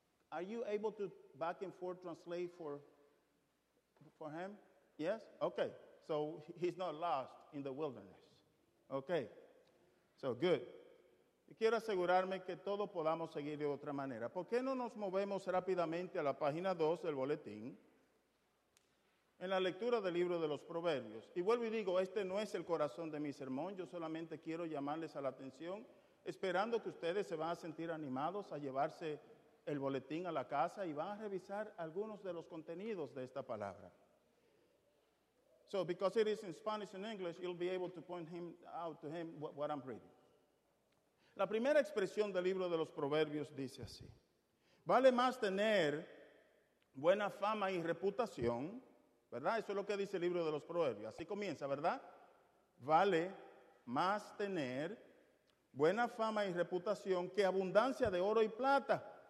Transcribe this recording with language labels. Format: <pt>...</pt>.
<en>Are you able to back and forth translate for him? Yes? Okay. So he's not lost in the wilderness. Okay. So good.</en> <es>Y quiero asegurarme que todos podamos seguir de otra manera. ¿Por qué no nos movemos rápidamente a la página 2 del boletín? En la lectura del libro de los Proverbios. Y vuelvo y digo, este no es el corazón de mi sermón. Yo solamente quiero llamarles a la atención, esperando que ustedes se van a sentir animados a llevarse el boletín a la casa y van a revisar algunos de los contenidos de esta palabra.</es> <en>So, because it is in Spanish and English, you'll be able to point him out to him what I'm reading.</en> <es>La primera expresión del libro de los Proverbios dice así: vale más tener buena fama y reputación, ¿verdad? Eso es lo que dice el libro de los Proverbios. Así comienza, ¿verdad? Vale más tener buena fama y reputación que abundancia de oro y plata.</es>